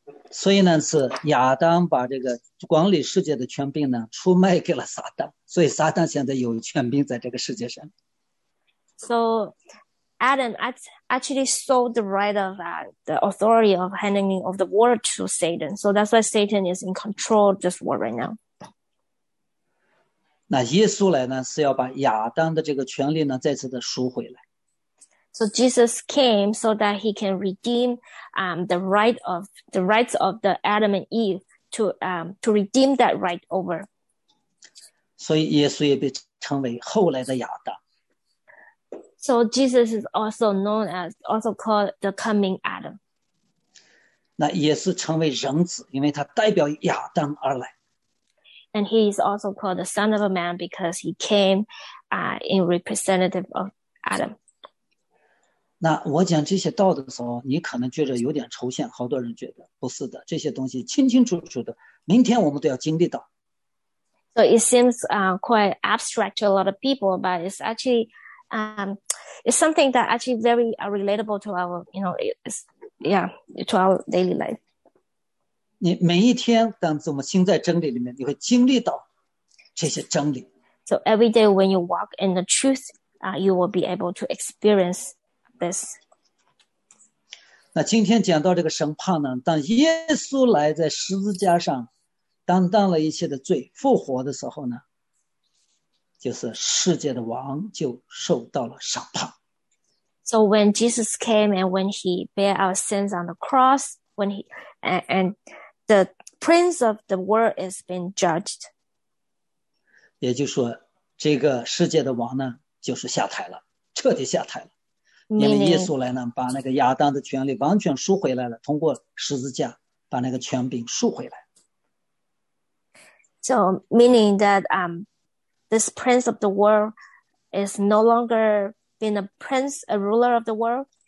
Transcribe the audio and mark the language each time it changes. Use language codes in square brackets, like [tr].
[zh] 所以呢，是亚当把这个管理世界的权柄呢出卖给了撒旦，所以撒旦现在有权柄在这个世界上。 [en] So Adam actually sold the right of the authority of handing of the world to Satan. So that's why Satan is in control of this world right now. [zh] 那耶稣来呢，是要把亚当的这个权利呢再次的赎回来。 [en] So Jesus came so that he can redeem the rights of the Adam and Eve to redeem that right over. [zh] 所以耶稣也被称为后来的亚当。 [en] So Jesus is also called the coming Adam. [zh] 那也是成为人子，因为他代表亚当而来。 [en] And he is also called the Son of a Man because he came in representative of Adam. [zh] 那我讲这些道的时候，你可能觉得有点抽象，好多人觉得不是的，这些东西清清楚楚的，明天我们都要经历到。 [en] So it seems quite abstract to a lot of people, but it's actually it's something that actually very relatable to our, you know, it's, yeah, to our daily life. [zh] 你每一天，当我们心在真理里面，你会经历到这些真理。 [en] So every day when you walk in the truth, you will be able to experience this. [zh] 那今天讲到这个审判呢，当耶稣来在十字架上担当了一切的罪，复活的时候呢，就是世界的王就受到了审判。 [en] So when Jesus came and when he bare our sins on the cross, when he and the prince of the world is being judged. [zh] 也就是说，这个世界的王呢，就是下台了，彻底下台了。因为耶稣来呢，把那个亚当的权利完全赎回来了，通过十字架把那个权柄赎回来。 [en] So meaning that this prince of the world is no longer been a prince, a ruler of the world.